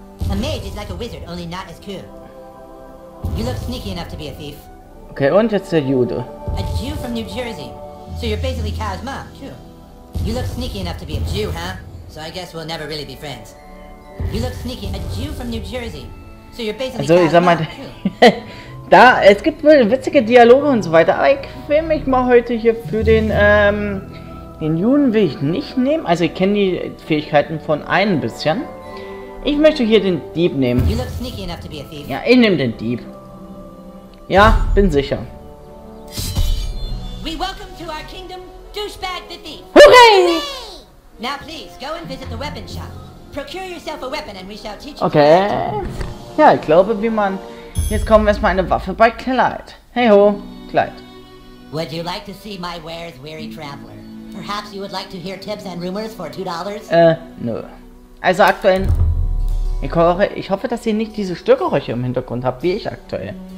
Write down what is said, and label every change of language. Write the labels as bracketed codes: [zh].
[en] A mage is like a wizard, only not as cool. You look sneaky enough to be a thief. [de] Okay, und jetzt der Jude. [en] A Jew from New Jersey. So you're basically Kyle's mom, too. You look sneaky enough to be a Jew, huh? So I guess we'll never really be friends. You look sneaky, a Jew from New Jersey. So you're basically also, Kyle's mom, too. [de] Da, es gibt witzige Dialoge und so weiter, aber ich will mich mal heute hier für den Juden will ich nicht nehmen. Also ich kenne die Fähigkeiten von einem bisschen. Ich möchte hier den Dieb nehmen. [en] You look sneaky enough to be a thief. [de] Ja, ich nehme den Dieb. Ja, bin sicher. [en] We welcome to our kingdom, Douchebag the Thief. Hooray! Now please, go and visit the weapon shop. Procure yourself a weapon and we shall teach you. [de] Okay. Ja, ich glaube, wie man... Jetzt kommen wir erstmal eine Waffe bei Clyde. [en] Hey ho, Clyde. Would you like to see my wares, weary traveler? Perhaps you would like to hear tips and rumors for $2? [de] Nö. Also aktuell. Ich hoffe, dass ihr nicht diese Störgeräusche im Hintergrund habt, wie ich aktuell.